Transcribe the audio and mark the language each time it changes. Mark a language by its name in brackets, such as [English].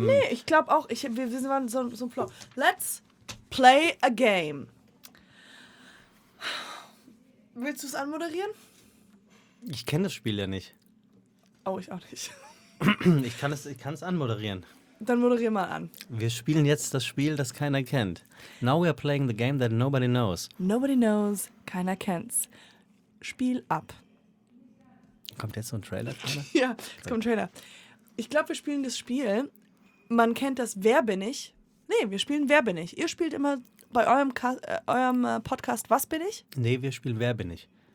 [German] Nee, ich glaube auch. Wir waren so ein Flow. [English] Let's play a game. [German] Willst du es anmoderieren? Ich kenne das Spiel ja nicht. Oh, ich auch nicht. Ich kann es anmoderieren. Dann moderier mal an. Wir spielen jetzt das Spiel, das keiner kennt. [English] Now we are playing the game that nobody knows. Nobody knows, [German] keiner kennt's. Spiel ab. Kommt jetzt so ein Trailer? Ja, es kommt ein Trailer. Ich glaube, wir spielen das Spiel. Man kennt das Wer bin ich? Nee, wir spielen Wer bin ich? Ihr spielt immer bei eurem Podcast Was bin ich? Nee, wir spielen Wer bin ich?